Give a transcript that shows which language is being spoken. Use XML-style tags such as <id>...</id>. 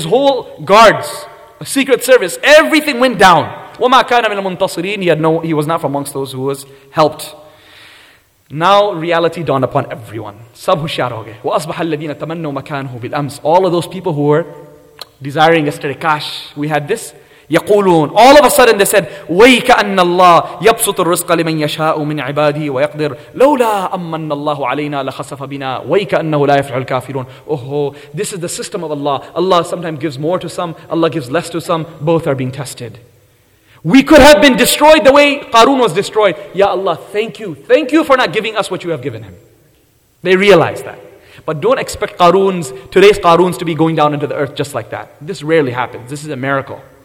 <en>His whole guards, secret service, everything went down.</en> <ar>وَمَا كَانَ مِنْ مُنْتَصِرِينَ</ar> <en>He was not from amongst those who was helped. Now reality dawned upon everyone.</en> <ur>سَبْ هُشْيَارَ هُوْغَيْ</ur> <ar>وَأَصْبَحَ الَّذِينَ تَمَنَّوا مَكَانَهُ بِالْأَمْسِ</ar> <en>All of those people who were desiring yesterday, kash, we had this.</en> <ar>يقولون. All of a sudden they said, وَيْكَأَنَّ اللَّهِ يَبْسُطُ الرِّزْقَ لِمَنْ يَشَاءُ مِنْ عِبَادِهِ وَيَقْدِرُ لَوْلَا أَمَّنَّ اللَّهُ عَلَيْنَا لَخَسَفَ بِنَا وَيْكَأَنَّهُ لَا يَفْلِحُ الْكَافِرُونَ</ar> <en>Oh, this is the system of Allah. Allah sometimes gives more to some, Allah gives less to some. Both are being tested. We could have been destroyed the way Qarun was destroyed. Ya Allah, thank you. Thank you for not giving us what you have given him. They realized that. But don't expect Qaruns, today's Qaruns to be going down into the earth just like that. This rarely happens. This is a miracle.</en>